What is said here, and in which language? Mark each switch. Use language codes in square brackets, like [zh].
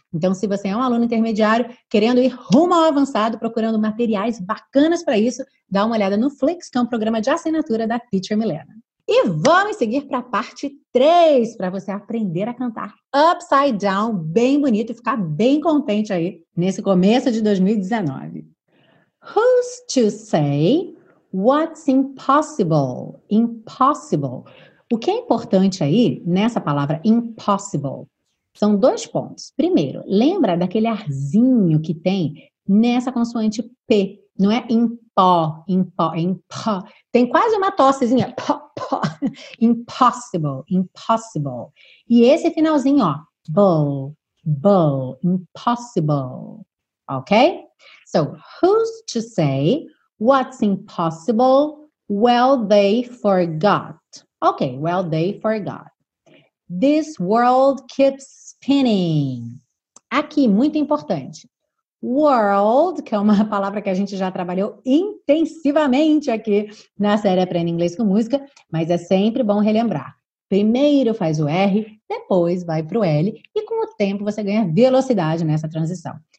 [pt] Então, se você é um aluno intermediário, querendo ir rumo ao avançado, procurando materiais bacanas para isso, dá uma olhada no Flix, que é um programa de assinatura da Teacher Milena. E vamos seguir para a parte 3, para você aprender a cantar upside down, bem bonito, e ficar bem contente aí, nesse começo de 2019. [en] Who's to say what's impossible? Impossible. [pt] O que é importante aí, nessa palavra impossible, são dois pontos. Primeiro, lembra daquele arzinho que tem nessa consoante P. Não é impó, impó, é impó. Tem quase uma tossezinha. Pó, pó. Impossible, impossible. E esse finalzinho, ó. Bow, bow, impossible. Ok? [en] So, who's to say what's impossible? Well, they forgot. Ok, well, they forgot. This world keeps spinning. [pt] Aqui, muito importante. World, que é uma palavra que a gente já trabalhou intensivamente aqui na série Aprenda Inglês com Música, mas é sempre bom relembrar. Primeiro faz o R, depois vai para o L, e com o tempo você ganha velocidade nessa transição.